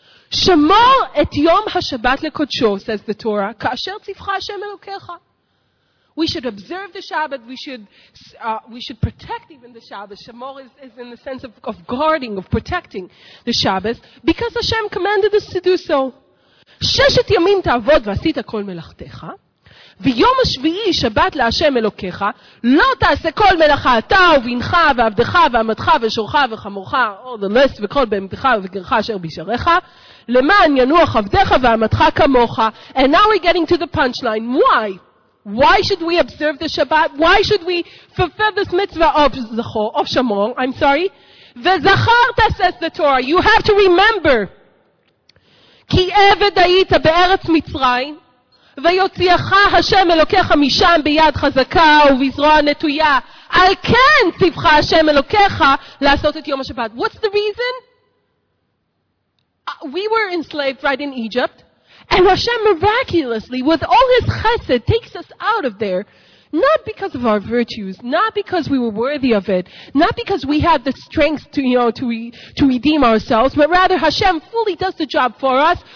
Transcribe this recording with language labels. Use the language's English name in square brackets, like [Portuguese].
[Hebrew] Shamor et yom ha-shabbat le-kodsho, [English] says the Torah, [Hebrew] ka'asher tzivcha Hashem Elokecha. [English] We should observe the Shabbat. We should protect even the Shabbat. Shamor is in the sense of guarding, of protecting the Shabbat, because Hashem commanded us to do so. [Hebrew] Sheshet yamim ta'avod v'asita kol melachtecha, ויום השביעי שבת להשם אלוקיך, לא תעשה כל מלאכה, אתה ובנך ועבדך ועמתך ושורך וחמורך, [English] all the less, [Hebrew] וכל בהמתך וגרך אשר בשעריך, למען ינוח עבדך ועמתך כמוך. [English] And now we're getting to the punchline. Why? Why should we observe the Shabbat? Why should we fulfill this mitzvah of zachor, of shamor, I'm sorry? וזכרת, says the Torah, you have to remember. [Hebrew] כי עבד היית בארץ מצרים, ויוציאך השם אלוקיך משם ביד חזקה ובזרוע נטויה. על כן ציווך השם אלוקיך לעשות את יום השבת. [English] What's the reason? We were enslaved right in Egypt, and Hashem miraculously, with all his chesed, takes us out of there, not because of our virtues, not because we were worthy of it, not because we had the strength to, you know, to redeem ourselves, but rather Hashem fully does the job for us.